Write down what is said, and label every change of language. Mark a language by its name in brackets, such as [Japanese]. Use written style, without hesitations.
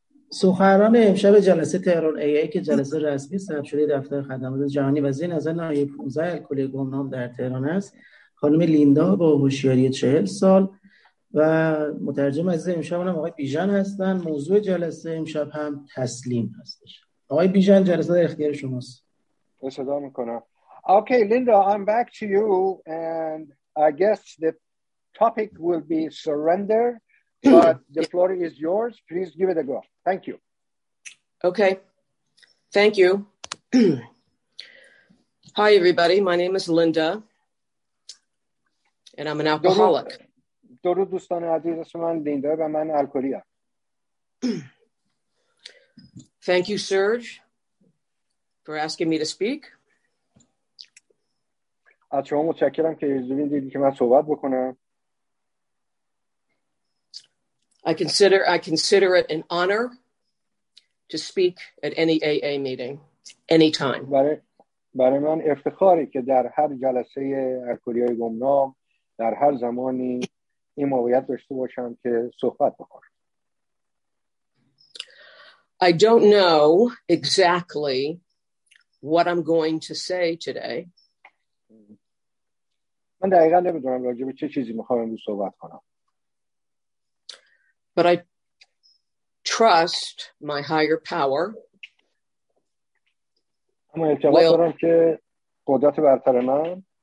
[Persian] سخنران امشب جلسه تهران ای ای که جلسه رسمی ثبت شده دفتر خدمات جهانی و زیر نظر نایب 15 الکلی گمنام در تهران است، خانم لیندا با هوشیاری 40 سال و مترجم عزیز امشب هم آقای بیژن هستند. موضوع جلسه امشب هم تسلیم هستش. آقای بیژن، جلسه در اختیار شماست. صدا میکنم. [English] Okay, Linda, I'm back to you and I guess the topic will be surrender. But the floor is yours. Please give it a go. Thank you. Okay. Thank you. Hi, everybody. My name is Linda. And I'm an alcoholic. [Persian] درود دوستان عزیز، من لیندا و من الکلی هستم. [English] Thank you, Serge, for asking me to speak. [Persian] از شما متشکرم که اجازه دادید که من صحبت بکنم. [English] I consider it an honor to speak at any AA meeting, any time. [Persian] برای من افتخاری که در هر جلسه الکلی‌های گمنام در هر زمانی این موقعیت داشته باشم که صحبت بکنم. [English] I don't know exactly what I'm going to say today. [Persian] من دقیقا نمیدونم راجع به چه چیزی میخوام امروز صحبت کنم. [English] But I trust my higher power. [Persian] اما اعتقاد دارم که قدرت برتر من